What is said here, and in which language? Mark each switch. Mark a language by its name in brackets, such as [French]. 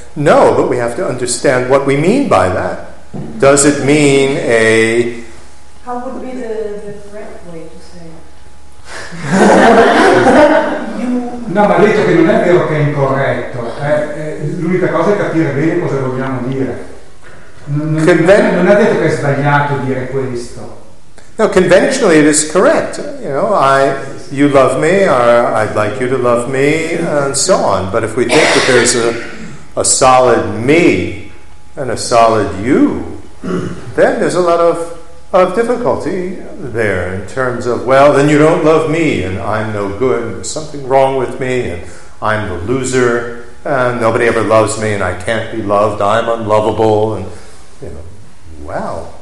[English] No, but we have to understand what we mean by that. Does it mean a... How would be the correct way to say it? [Italian] No, ma ha detto che non è vero che è incorretto. L'unica cosa è capire bene cosa vogliamo dire. Non ha detto che è sbagliato dire questo. [English] No, conventionally it is correct. You know, you love me, or I'd like you to love me, and so on. But if we think that there's a solid me and a solid you, then there's a lot of difficulty there in terms of, well, then you don't love me, and I'm no good, and there's something wrong with me, and I'm the loser, and nobody ever loves me, and I can't be loved, I'm unlovable, and, you know, wow.